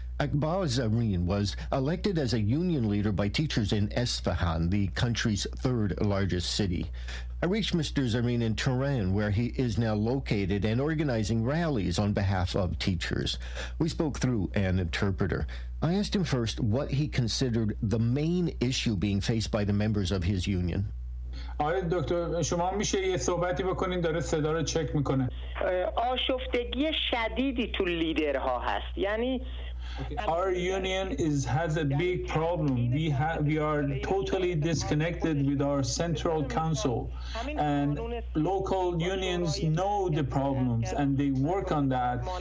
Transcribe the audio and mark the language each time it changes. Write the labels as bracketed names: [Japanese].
[English] Akbar Zarin was elected as a union leader by teachers in Esfahan, the country's third largest city. I reached Mr. Zarin in Tehran, where he is now located and organizing rallies on behalf of teachers. We spoke through an interpreter. I asked him first what he considered the main issue being faced by the members of his union. [Persian] آره دکتر شما میشه یه صحبتی بکنین داره صدا رو چک میکنه آشفتگی شدیدی تو لیدرها هست یعنی [English] Our union has a big problem. We are totally disconnected with our central council. And local unions know the problems and they work on that.